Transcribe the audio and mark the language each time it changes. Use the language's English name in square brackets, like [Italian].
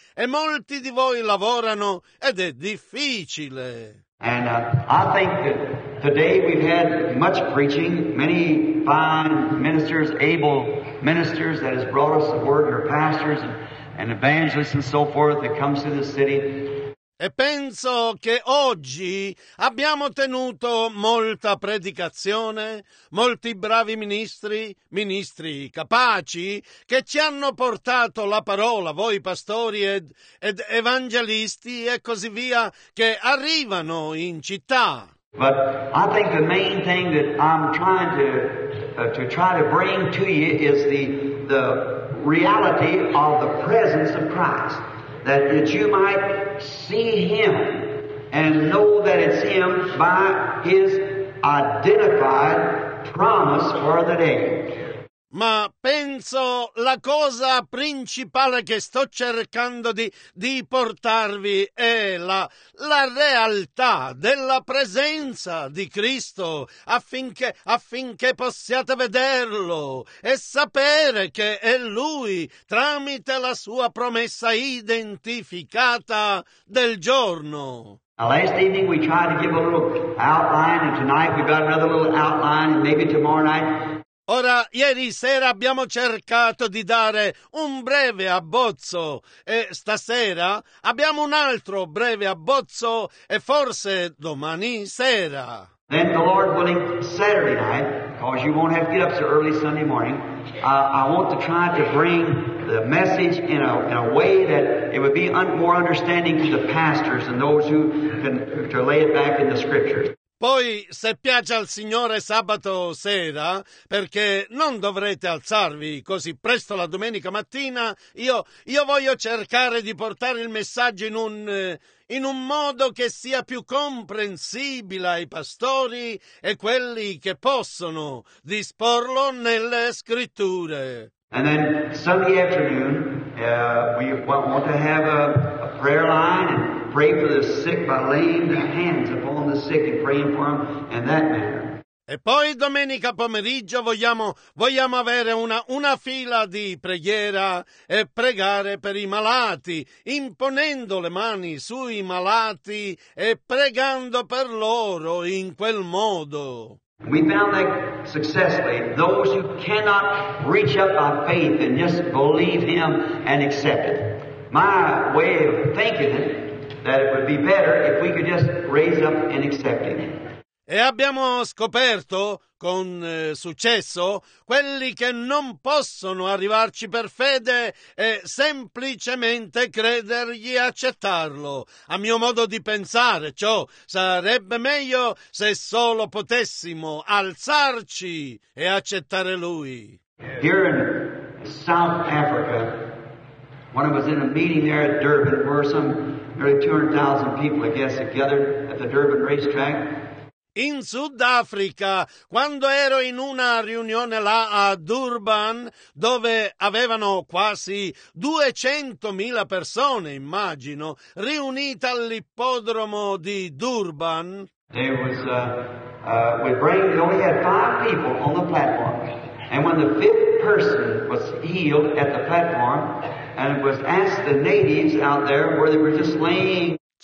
[Italian] E molti di voi lavorano ed è difficile. [English] And I think that today we've had much preaching, many fine ministers, able ministers that has brought us the word, your pastors and evangelists and so forth that comes to the city. [Italian] E penso che oggi abbiamo tenuto molta predicazione, molti bravi ministri, ministri capaci, che ci hanno portato la parola, voi pastori ed evangelisti e così via, che arrivano in città. [English] But I think the main thing that I'm trying to bring to you is the reality of the presence of Christ. That you might see him and know that it's him by his identified promise for the day. [Italian] Ma penso la cosa principale che sto cercando di portarvi è la realtà della presenza di Cristo affinché possiate vederlo e sapere che è Lui tramite la sua promessa identificata del giorno. [English] Now last evening we tried to give a little outline and tonight we've got another little outline and maybe tomorrow night. [Italian] Ora, ieri sera abbiamo cercato di dare un breve abbozzo e stasera abbiamo un altro breve abbozzo e forse domani sera. [English] Then the Lord willing, Saturday night, because you won't have to get up so early Sunday morning, I want to try to bring the message in a way that it would be more understanding to the pastors and those who can to lay it back in the scriptures. [Italian] Poi, se piace al Signore, sabato sera, perché non dovrete alzarvi così presto la domenica mattina, io voglio cercare di portare il messaggio in un modo che sia più comprensibile ai pastori e quelli che possono disporlo nelle scritture. [English] And then Sunday afternoon, we want to have a prayer line and pray for the sick by laying the hands upon the sick and praying for them in that manner. [Italian] E poi domenica pomeriggio vogliamo avere una fila di preghiera e pregare per i malati, imponendo le mani sui malati e pregando per loro in quel modo. [English] We found that successfully, those who cannot reach up by faith and just believe him and accept it. My way of thinking it, that it would be better if we could just raise up and accept him. [Italian] E abbiamo scoperto con successo quelli che non possono arrivarci per fede e semplicemente credergli e accettarlo. A mio modo di pensare, ciò sarebbe meglio se solo potessimo alzarci e accettare lui. [English] Here in South Africa, one of us in a meeting there at Durban, where some nearly 200,000 people, I guess, gathered at the Durban racetrack. [Italian] In Sudafrica, quando ero in una riunione là a Durban, dove avevano quasi 200,000 persone, immagino, riunite all'ippodromo di Durban. [English] There was we only had 5 people on the platform. And when the 5th person was healed at the platform and was asked the natives out there where they were just laying.